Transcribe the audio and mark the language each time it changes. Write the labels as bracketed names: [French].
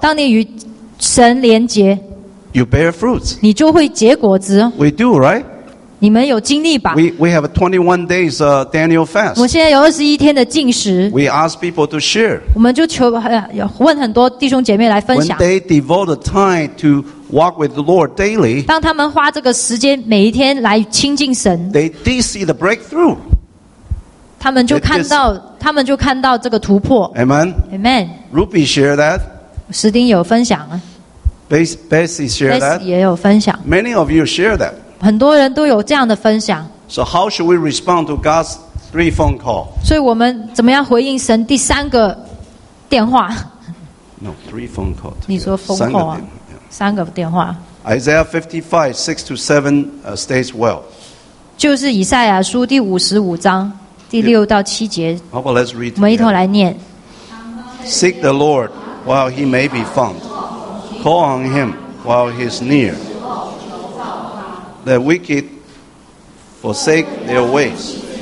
[Chinese] 当你与神连结 [English] You bear fruits. [Chinese] 你就会结果子 [English] We do, right? [Chinese] 你们有经历吧 [English] we have a 21 days Daniel fast. [Chinese] 我现在有21天的禁食 [English] We ask people to share. [Chinese] 我们就求问很多弟兄姐妹来分享 [English] When they devote the time to walk with the Lord daily. [Chinese] 当他们花这个时间每一天来亲近神 [English] They did see the breakthrough. [Chinese] 他们就看到这个突破 [English] Amen. Amen. Ruby share that. [Chinese] 石丁有分享 [English] Bessie share that. [Chinese] Bessie 也有分享 [English] Many of you share that. [Chinese] 很多人都有这样的分享。 [English] So how should we respond to God's three phone call? [Chinese] 所以我们怎么样回应神第三个电话 [English] ？No, three phone call. [Chinese] 你说 phone call 啊？三个电话。 [English] Isaiah 55:6-7 states well. [Chinese] 就是以赛亚书第五十五章第六到七节。 [English] How about let's read? [Chinese] 我们一同来念。 [English] Seek the Lord while he may be found. Call on him while he's near. The wicked forsake their ways.